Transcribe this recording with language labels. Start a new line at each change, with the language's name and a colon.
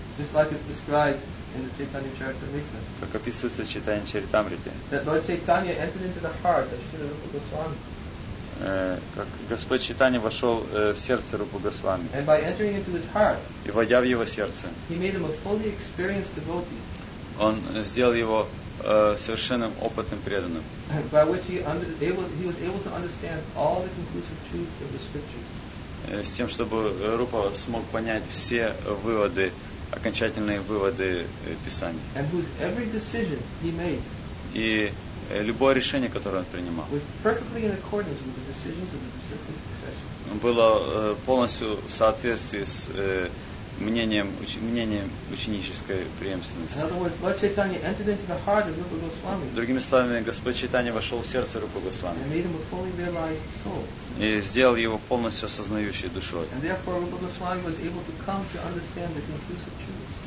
English: Just like it's described in the Chaitanya Charitamrita.
Russian: Как описывается в Чайтанья Чаритамрите.
English: That Lord Chaitanya entered into the heart of Śrīla Rūpa Gosvāmī.
Russian: Как Господь Чайтанья вошел в сердце Рупы Госвами.
English: And by entering into his heart,
Russian: и войдя в его сердце,
English: he made him a fully experienced devotee.
Russian: Он сделал его совершенным опытным преданным.
English: By which he was able to understand all the conclusive truths of the scriptures.
Russian: С тем, чтобы Рупа смог понять все выводы, окончательные выводы Писания.
English: And whose every decision he made.
Russian: И любое решение, которое он принимал,
English: was perfectly in accordance with the decisions of the disciplic succession.
Russian: Было полностью в соответствии с мнением ученической преемственности.
English: In other words, Lord Chaitanya entered into the heart of Rupa Goswami.
Russian: Другими словами, Господь Чайтанья вошел в сердце Рупы Госвами.
English: And made him a fully realized soul.
Russian: И сделал его полностью осознающей душой.
English: And therefore, Rupa Goswami was able to come to understand the conclusive truths.